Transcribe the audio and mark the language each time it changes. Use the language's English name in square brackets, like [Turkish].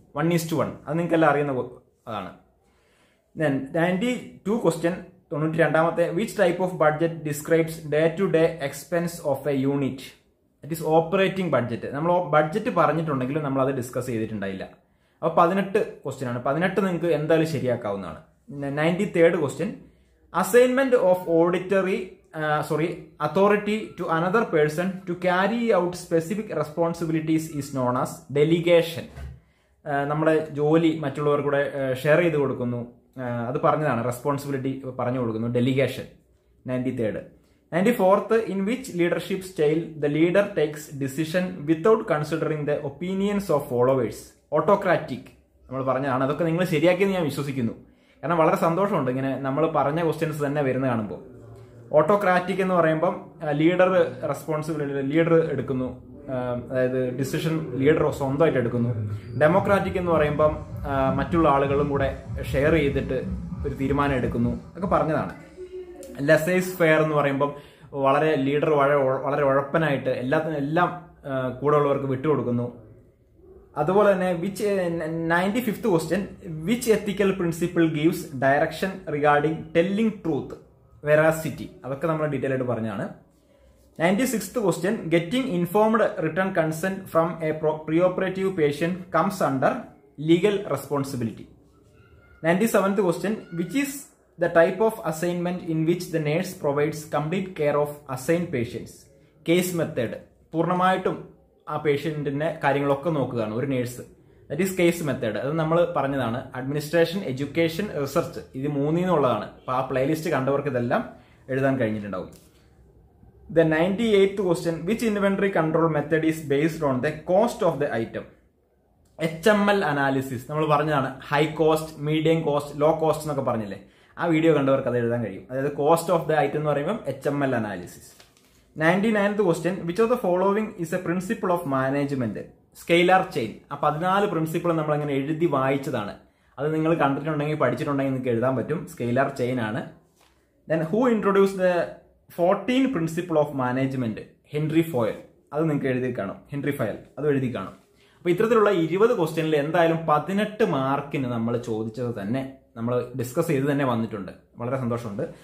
[English] 1:1, [Malayalam] അത് നിങ്ങൾക്ക് എല്ലാം അറിയുന്ന അതാണ്. [English] Then 92th question, 92-ാമത്തെ, which type of budget describes day to day expense of a unit? That is operating budget. [Malayalam] നമ്മൾ budget പറഞ്ഞിട്ടുണ്ടെങ്കിലും നമ്മൾ അത് ഡിസ്കസ് ചെയ്തിട്ടുണ്ടായില്ല. അപ്പോൾ 18th ക്വസ്റ്റ്യൻ ആണ്, 18 നിങ്ങൾക്ക് എന്തായാലും ശരിയാക്കാവുന്നതാണ്. [English] 93rd question, assignment of auditory authority to another person to carry out specific responsibilities is known as delegation. [Malayalam] നമ്മുടെ ജോലി മറ്റുള്ളവർ കൂടെ ഷെയർ ചെയ്ത് കൊടുക്കുന്നു, അത് പറഞ്ഞതാണ് റെസ്പോൺസിബിലിറ്റി പറഞ്ഞു കൊടുക്കുന്നു, delegation. [English] 93rd. 94th, in which leadership style the leader takes decision without considering the opinions of followers. Autocratic. [Malayalam] നമ്മൾ പറഞ്ഞതാണ് അതൊക്കെ നിങ്ങൾ ശരിയാക്കിയെന്ന് ഞാൻ വിശ്വസിക്കുന്നു, കാരണം വളരെ സന്തോഷമുണ്ട് ഇങ്ങനെ നമ്മൾ പറഞ്ഞ ക്വസ്റ്റ്യൻസ് തന്നെ വരുന്ന കാണുമ്പോൾ. ഓട്ടോക്രാറ്റിക് എന്ന് പറയുമ്പം ലീഡർ റെസ്പോൺസിബിലിറ്റി, ലീഡർ എടുക്കുന്നു, അതായത് ഡിസിഷൻ ലീഡർ സ്വന്തമായിട്ട് എടുക്കുന്നു. ഡെമോക്രാറ്റിക് എന്ന് പറയുമ്പം മറ്റുള്ള ആളുകളും കൂടെ ഷെയർ ചെയ്തിട്ട് ഒരു തീരുമാനം എടുക്കുന്നു ഒക്കെ പറഞ്ഞതാണ്. ലെസേഴ്സ് ഫെയർ എന്ന് പറയുമ്പം വളരെ ലീഡർ വളരെ ഉഴപ്പനായിട്ട് എല്ലാം കൂടെ ഉള്ളവർക്ക് വിട്ടുകൊടുക്കുന്നു. അതുപോലെ തന്നെ [English] 95th question, which ethical principle gives direction regarding telling truth, veracity. [Malayalam] അതൊക്കെ നമ്മൾ ഡീറ്റെയിൽ ആയിട്ട് പറഞ്ഞാണ്. [English] 96th question, getting informed written consent from a preoperative patient comes under legal responsibility. 97th question, which is the type of assignment in which the nurse provides complete care of assigned patients. Case method. [Malayalam] പൂർണ്ണമായിട്ടും ആ പേഷ്യൻറ്റിൻ്റെ കാര്യങ്ങളൊക്കെ നോക്കുകയാണ് ഒരു nurse. [English] That is case method. [Malayalam] അത് നമ്മൾ പറഞ്ഞതാണ് administration, education, research, ഇത് മൂന്നിൽ നിന്നുള്ളതാണ്. അപ്പോൾ ആ പ്ലേലിസ്റ്റ് കണ്ടവർക്ക് ഇതെല്ലാം എഴുതാൻ കഴിഞ്ഞിട്ടുണ്ടാവും. [English] The 98th question, which inventory control method is based on the cost of the item. [Malayalam] HML analysis. നമ്മൾ പറഞ്ഞതാണ് high cost, medium cost, low cost എന്നൊക്കെ പറഞ്ഞില്ലേ, ആ വീഡിയോ കണ്ടവർക്ക് അത് എഴുതാൻ കഴിയും. അതായത് [English] cost of the item [Malayalam] എന്ന് പറയുമ്പോൾ HML analysis. [English] 99th question, which of the following is a principle of management? Scalar chain. [Malayalam] ആ 14 principle നമ്മൾ അങ്ങനെ എഴുതി വായിച്ചതാണ്, അത് നിങ്ങൾ കണ്ടിട്ടുണ്ടെങ്കിൽ പഠിച്ചിട്ടുണ്ടെങ്കിൽ നിങ്ങൾക്ക് എഴുതാൻ പറ്റും, സ്കെയിലാർ ചെയിൻ ആണ്. [English] Then who introduce the 14 principle of management? [Malayalam] Henry Foyle. അത് നിങ്ങൾക്ക് എഴുതി കാണും, ഹെൻറി ഫോയൽ, അത് എഴുതി കാണും. അപ്പോൾ ഇത്തരത്തിലുള്ള 20 ക്വസ്റ്റ്യനിൽ എന്തായാലും 18 മാർക്കിന് നമ്മൾ ചോദിച്ചത് തന്നെ, നമ്മൾ ഡിസ്കസ് ചെയ്ത് തന്നെ വന്നിട്ടുണ്ട്, വളരെ സന്തോഷമുണ്ട്.